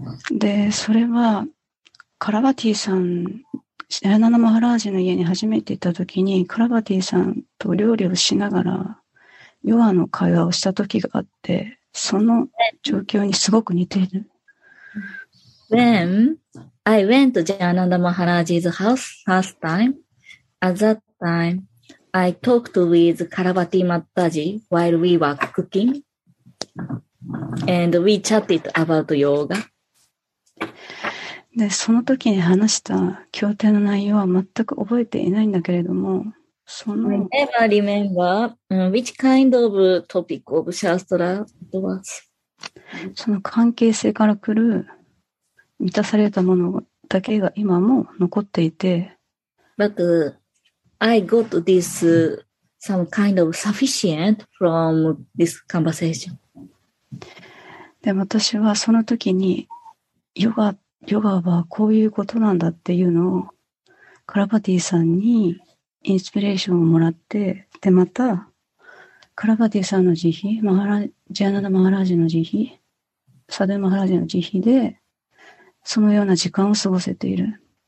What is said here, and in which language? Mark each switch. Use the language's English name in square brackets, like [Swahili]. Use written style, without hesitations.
[Japanese] で、それはカラバティさん、シャーナナマハラージの家に初めて行った時に、カラバティさんと料理をしながらヨガの会話をした時があって、その状況にすごく似ている。 [English] When I went to シャーナナマハラージ's house first time, at that time,I talked with Karavati Mataji while we were cooking and we chatted about yoga. [Japanese] で、その時に話した経典の内容は全く覚えていないんだけれども、その。 [English] I never remember which kind of topic of Shastra it was. [Japanese] その関係性から来る満たされたものだけが今も残っていて。 [English] But,I got this some kind of sufficient from this conversation. [Japanese] で、私はその時にヨガはこういうことなんだっていうのをカラバティさんにインスピレーションをもらって、で、またカラバティさんの慈悲、ジャナダ・マハラージの慈悲、サデ・マハラージの慈悲でそのような時間を過ごせている。